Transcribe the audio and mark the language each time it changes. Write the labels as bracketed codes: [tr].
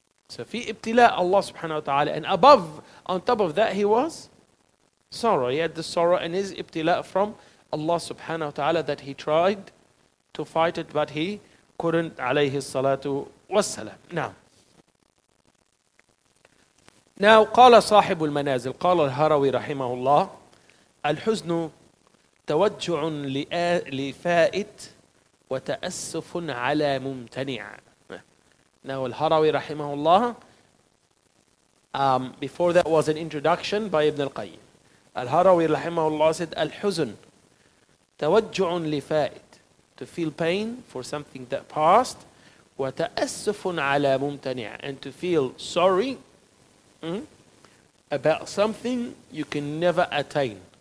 [en] So, fi ibtila Allah subhanahu wa ta'ala. And above, on top of that, he was sorrow. He had the sorrow and his ibtila from Allah subhanahu wa ta'ala that he tried to fight it, but he couldn't, alayhi salatu wassalam. Now, [ar] Now, قال صاحب المنازل, قال الهروي رحمه الله, الحزن توجع لفائت وتأسف على ممتنع. [en] Now, الهروي رحمه الله, before that was an introduction by Ibn al-Qayyim. الهروي رحمه الله said, [ar] الحزن توجع لفائت, [en] to feel pain for something that passed, [ar] وتأسف على ممتنع, [en] and to feel sorry about something you can never attain.